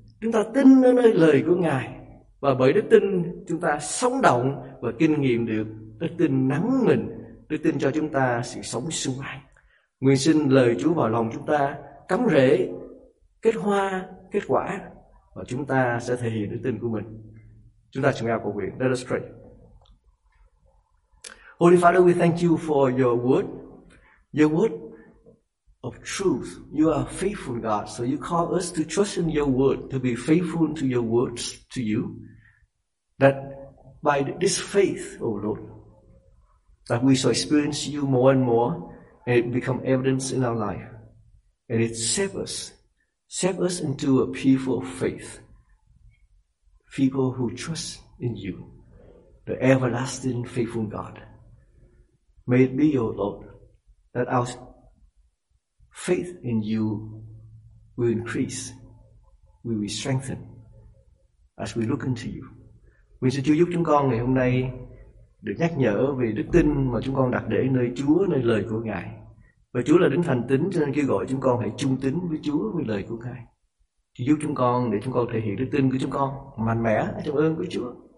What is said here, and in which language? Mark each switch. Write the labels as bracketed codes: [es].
[vi] Chúng ta tin ở nơi lời của Ngài, và bởi đức tin chúng ta sống động và kinh nghiệm được đức tin nắng mình, đức tin cho chúng ta sự sống sung mãn. Nguyện xin lời Chúa vào lòng chúng ta cắm rễ, kết hoa, kết quả, và chúng ta sẽ thể hiện đức tin của mình. Chúng ta cùng nhau cầu nguyện. [en] Let us pray. Holy Father, we thank you for your word. Your word, O of truth. You are a faithful God, so you call us to trust in your word, to be faithful to your words to you, that by this faith, oh Lord, that we shall experience you more and more, and it become evidence in our life. And it save us into a people of faith, people who trust in you, the everlasting faithful God. May it be, O Lord, that our faith in you will increase, will be strengthened as we look into you. [vi] Nguyện Chúa giúp chúng con ngày hôm nay được nhắc nhở về đức tin mà chúng con đặt để nơi Chúa, nơi lời của Ngài. Và Chúa là đấng thành tín, cho nên kêu gọi chúng con hãy trung tín với Chúa, với lời của Ngài. Chúa giúp chúng con để chúng con thể hiện đức tin của chúng con mạnh mẽ trong ơn của Chúa.